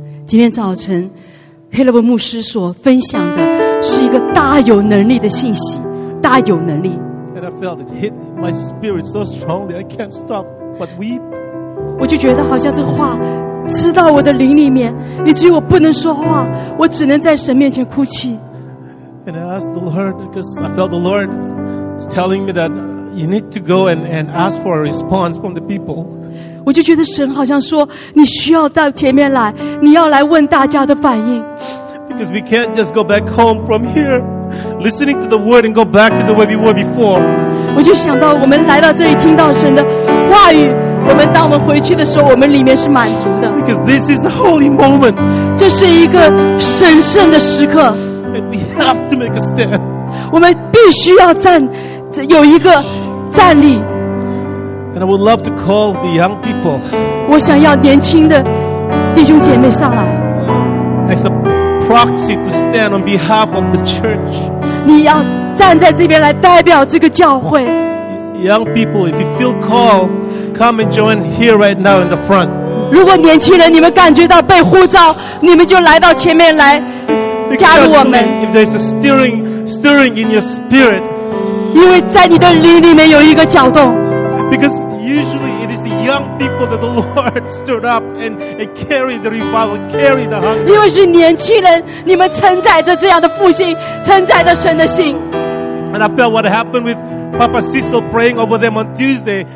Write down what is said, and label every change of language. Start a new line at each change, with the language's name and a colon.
Chinese: 今天早晨, Caleb 牧师所分享的是一个大有能力的信息, 大有能力。
English: And I felt it hit my spirit so strongly, I can't stop but weep.
Chinese: 我就觉得好像这话 刺到我的灵里面, 以至于我不能说话, 我只能在神面前哭泣。
English: And I asked the Lord, because I felt the Lord telling me that you need to go and ask for a response from the people.
Chinese: 我就觉得神好像说, 你需要到前面来, 你要来问大家的反应。
English: Because we can't just go back home from here, listening to the word and go back to the way we were before.
Chinese: 我就想到我们来到这里听到神的话语, 我们当我们回去的时候，我们里面是满足的。
English: Because this is a holy moment.
Chinese: 这是一个神圣的时刻。
English: And we have to make a stand.
Chinese: 我们必须要站，有一个站立。
English: And I would love to call the young people.
Chinese: 我想要年轻的弟兄姐妹上来。
English: As a proxy to stand on behalf of the church.
Chinese: 你要站在这边来代表这个教会。
English: Young people, if you feel called, come and join here right now in the front.
Chinese: 如果年轻人你们感觉到被呼召, 你们就来到前面来。
English: Especially if there's a stirring in your spirit. Because usually it is the young people that the Lord stirred up and carried the revival, carried the hunger.
Chinese: 因为是年轻人,
English: and I felt what happened with Papa Cecil praying over them on Tuesday.